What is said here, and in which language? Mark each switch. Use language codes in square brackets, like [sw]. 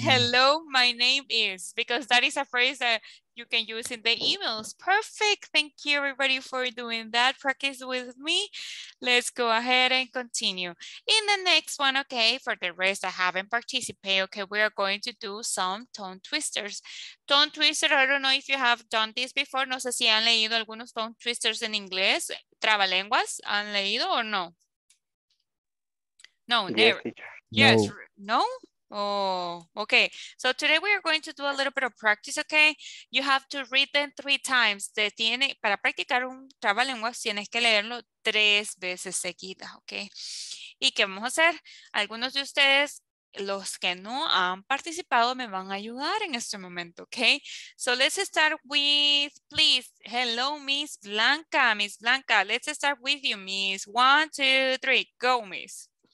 [en] Hello, my name is, because that is a phrase that you can use in the emails. Perfect. Thank you, everybody, for doing that practice with me. Let's go ahead and continue. In the next one, okay, for the rest that haven't participated, okay, we are going to do some tongue twisters. Tongue twisters, I don't know if you have done this before. [es] No sé si han leído algunos tongue twisters en inglés. Trabalenguas, ¿han leído o no? [en] No, never. Yes, no? Oh, okay. So today we are going to do a little bit of practice, okay? You have to read them 3 times. [es] Para practicar un trabalenguas, tienes que leerlo 3 veces seguida, okay? ¿Y qué vamos a hacer? Algunos de ustedes, los que no han participado, me van a ayudar en este momento, okay? [en] So let's start with, please, hello, Miss Blanca. Miss Blanca, let's start with you, Miss. 1, 2, 3, go, Miss.